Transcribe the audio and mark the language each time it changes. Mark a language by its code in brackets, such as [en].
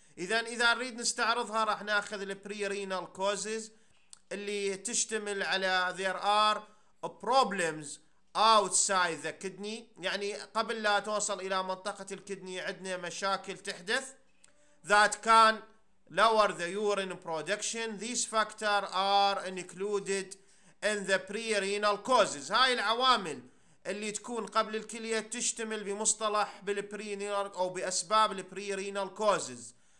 [ar] اذا نريد نستعرضها راح ناخذ البريرينال كوزز اللي تشتمل على [en] there are problems outside the kidney، [ar] يعني قبل لا توصل إلى منطقة الكدني عندنا مشاكل تحدث [en] that can lower the urine production. These factors are included in the pre-renal causes. [ar] هاي العوامل اللي تكون قبل الكلية تشتمل بمصطلح بالpre-renal أو بأسباب pre-renal causes.